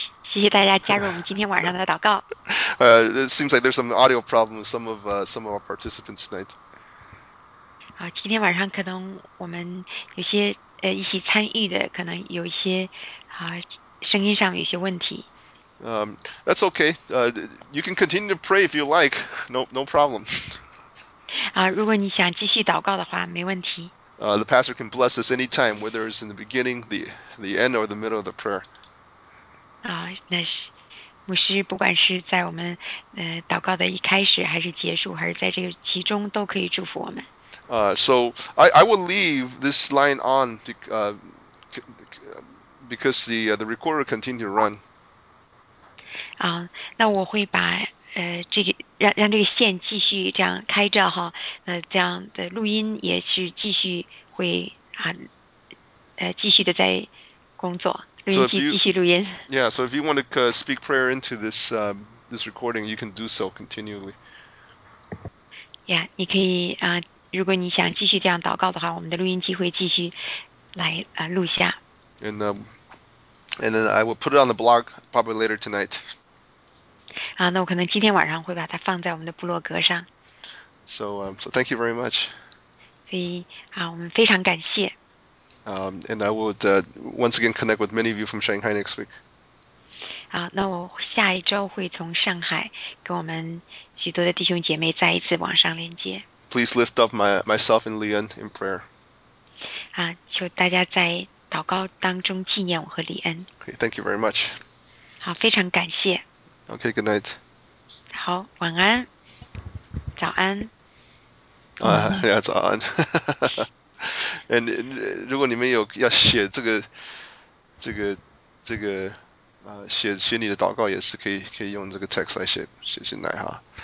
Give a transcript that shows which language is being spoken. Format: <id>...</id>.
<zh>谢谢大家加入我们今天晚上的祷告。</zh> <en>It seems like there's some audio problems some of our participants tonight.</en> <zh>好，今天晚上可能我们有些一起参与的可能有一些声音上有些问题。</zh> <en>That's okay. You can continue to pray if you like. No problem.</en> <zh>如果你想继续祷告的话，没问题。</zh> <en>The pastor can bless us anytime, whether it's in the beginning, the end, or the middle of the prayer.</en> <zh>那是牧师，不管是在我们祷告的一开始，还是结束，还是在这个其中，都可以祝福我们。</zh> <en>So I will leave this line on because the recorder continued to run.</en> <zh>那我会把这个让这个线继续这样开着哈，这样的录音也是继续会继续的在工作，录音机继续录音。</zh> <en>Yeah, so if you want to speak prayer into this this recording, you can do so continually.</en> <zh>Yeah, 你可以如果你想继续这样祷告的话，我们的录音机会继续来录下。</zh> <en>And then I will put it on the blog probably later tonight.</en> <zh>那我可能今天晚上会把它放在我们的部落格上。</zh> <en>So thank you very much.</en> <zh>所以我们非常感谢。</zh> <en>And I would once again connect with many of you from Shanghai next week.</en> <zh>那我下一周会从上海跟我们许多的弟兄姐妹再一次网上连接。</zh> <en>please lift up myself and Lian in prayer.</en> <zh>啊，求大家在祷告当中纪念我和李恩。</zh> <en>Okay, thank you very much.</en> <zh>好，非常感谢。</zh> <en>Okay, good night.</en> <zh>好，晚安，早安。啊，呀，早安。And 如果你们有要写这个写你的祷告，也是可以用这个 text 来写进来哈。</zh>